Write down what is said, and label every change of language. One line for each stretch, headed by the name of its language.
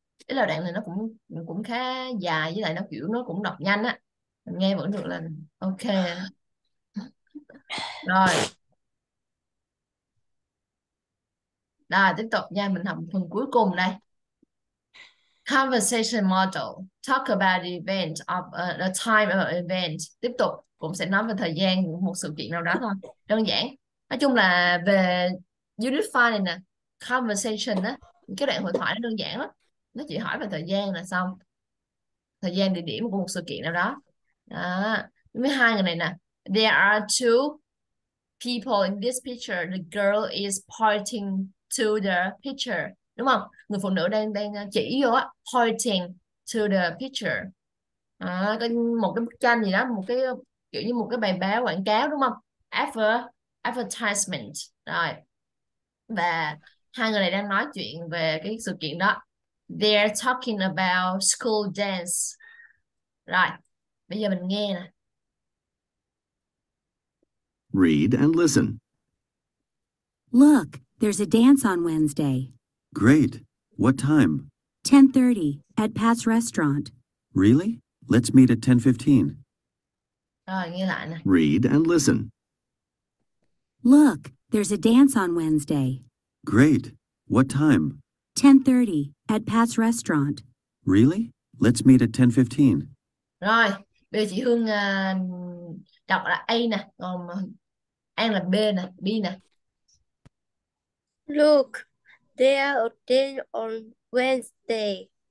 Vietnamese: Ý là đoạn này nó cũng khá dài với lại nó kiểu nó cũng đọc nhanh á. Mình nghe vẫn được là ok. Rồi. Đó, tiếp tục nha, mình học phần cuối cùng đây.
English: Conversation model. Talk about the event of the time of an event.
Vietnamese: Tiếp tục, cũng sẽ nói về thời gian một sự kiện nào đó thôi. Đơn giản. Nói chung là về unit 5 này nè. Conversation á. Cái đoạn hội thoại nó đơn giản lắm. Nó chỉ hỏi về thời gian là xong. Thời gian, địa điểm của một sự kiện nào đó. Đó. Nhưng với hai người này nè.
English: There are two people in this picture. The girl is pointing to the picture,
Vietnamese: đúng không? Người phụ nữ đang chỉ vô á,
English: pointing to the picture.
Vietnamese: À, một cái bức tranh gì đó, một cái kiểu như một cái bài báo quảng cáo, đúng không? Advertisement. Rồi. Và hai người này đang nói chuyện về cái sự kiện đó.
English: They're talking about school dance.
Vietnamese: Rồi. Bây giờ mình nghe nè.
English: Read and listen. Look. There's a dance on Wednesday. Great. What time? 10:30 at Pat's restaurant. Really? Let's meet at 10:15. Read and listen. Look, there's a dance on Wednesday. Great. What time? 10:30 at Pat's restaurant. Really? Let's meet at 10:15.
Vietnamese: Rồi, bây giờ chị Hương đọc là A nè, còn An là B nè, B nè.
English: Look, there's a dance on Wednesday.